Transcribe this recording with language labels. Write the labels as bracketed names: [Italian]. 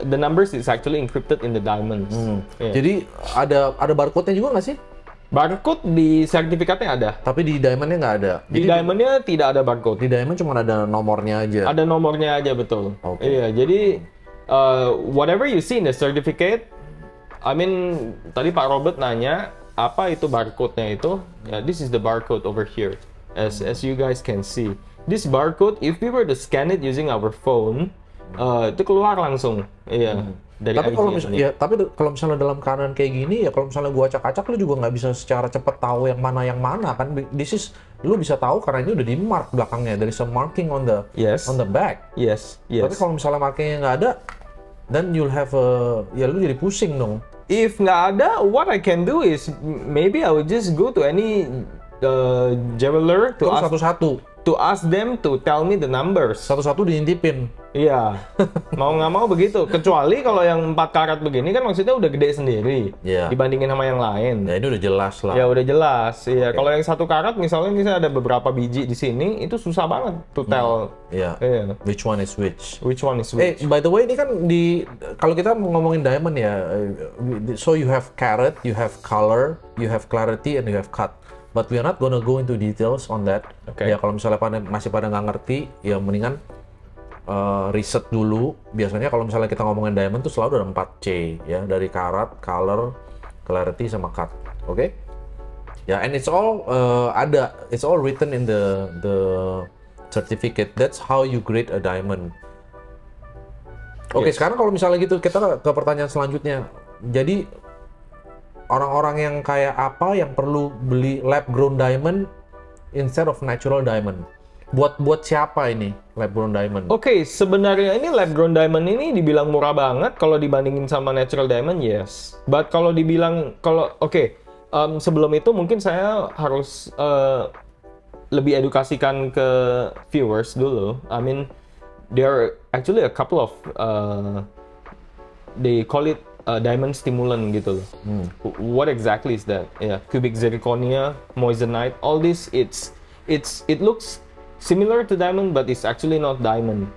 [English] The numbers is actually encrypted in the diamonds. Yeah. [Indonesian] Jadi ada barcode-nya juga enggak sih? Barcode di sertifikatnya ada, tapi di diamondnya nggak ada. Jadi di diamondnya tidak ada barcode. Di diamond cuma ada nomornya aja. Ada nomornya aja betul. [English] Okay. [Indonesian] Iya, jadi [English] whatever you see in the certificate, I mean [Indonesian] tadi Pak Robert nanya apa itu barcode-nya itu. [English] Yeah, this is the barcode over here. As you guys can see, this barcode if we were to scan it using our phone, [Indonesian] itu keluar langsung. Iya. Tapi kalau misalnya dalam keadaan kayak gini ya, kalau misalnya gua acak-acak lu juga nggak bisa secara cepat tahu yang mana kan. This is lu bisa tahu karena ini udah di mark belakangnya, [English] there is a marking on the on the back. Yes. [Indonesian] Tapi kalau misalnya markingnya nggak ada, [English] then you'll have a, [Indonesian] ya lu jadi pusing dong. [English] If [Indonesian] nggak ada, [English] what I can do is maybe I would just go to any jeweler to [Indonesian] ask satu-satu. [English] To ask them to tell me the numbers. [Indonesian] Satu-satu diintipin. Iya, mau nggak mau begitu. Kecuali kalau yang 4 karat begini kan maksudnya udah gede sendiri dibandingin sama yang lain. Ya ini udah jelas lah. Ya udah jelas. Iya, okay. Kalau yang 1 karat misalnya ini ada beberapa biji di sini, itu susah banget [English] to tell. Which one is which? Which one is which? By the way, [Indonesian] ini kan di kalau kita ngomongin diamond ya, [English] so you have carat, you have color, you have clarity, and you have cut. But we are not gonna go into details on that. Okay. [Indonesian] Ya kalau misalnya masih pada nggak ngerti, ya mendingan riset dulu. Biasanya kalau misalnya kita ngomongin diamond tuh selalu ada 4C ya, dari karat, color, clarity, sama cut. Oke? [English] Okay? Ya yeah, and it's all ada, it's all written in the certificate. That's how you grade a diamond. [Indonesian] Oke, sekarang kalau misalnya gitu kita ke pertanyaan selanjutnya. Jadi orang-orang yang kayak apa yang perlu beli lab grown diamond instead of natural diamond? buat siapa ini lab-grown diamond? Okay, sebenarnya ini lab-grown diamond ini dibilang murah banget kalau dibandingin sama natural diamond, yes. But kalau dibilang, sebelum itu mungkin saya harus lebih edukasikan ke viewers dulu. [English] I mean, there are actually a couple of, they call it diamond stimulant [Indonesian] gitu loh. [English] Hmm. What exactly is that? Yeah, cubic zirconia, moissanite, all this, it looks similar to diamond, but it's actually not diamond.